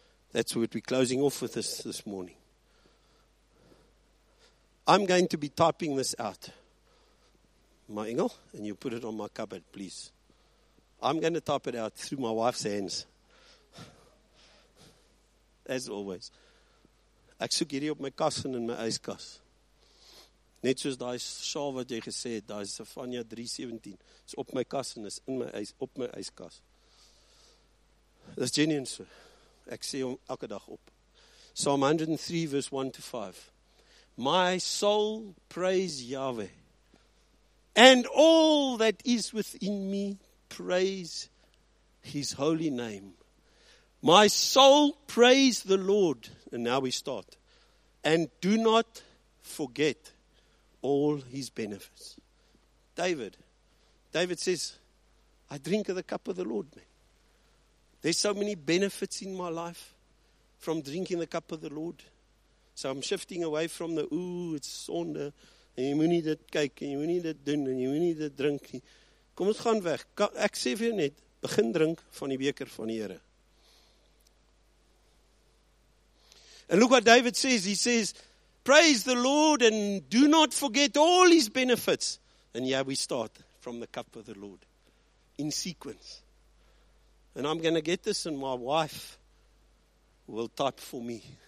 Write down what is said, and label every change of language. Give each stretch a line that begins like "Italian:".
English: That's what we're closing off with this morning. I'm going to be typing this out,
Afrikaans: my engel,
English: and you put it on my cupboard, please. I'm going to type it out through my wife's hands. As always.
Afrikaans: Ek soek hierdie op my kas en in my yskas. Net soos daai sjaal wat jy gesê het, daai Sefanja 3:17, is op my kas en is in my yskas. Dis genuine so. Ek sê hom elke dag op. Psalm 103 verse 1 to 5.
English: My soul praise Yahweh, and all that is within me praise his holy name. My soul praise the Lord, and now we start, and do not forget all his benefits. David says, I drink of the cup of the Lord, man. There's so many benefits in my life from drinking the cup of the Lord. So I'm shifting away from the, ooh, it's
Afrikaans: sonde, en jy moet nie dit kyk, en jy moet nie dit doen, en jy moet nie dit drink nie. Kom ons gaan weg. Ek sê vir jou net, begin drink van die beker van die Here.
English: And look what David says. He says, praise the Lord and do not forget all his benefits. And yeah, we start from the cup of the Lord in sequence. And I'm going to get this and my wife will type for me.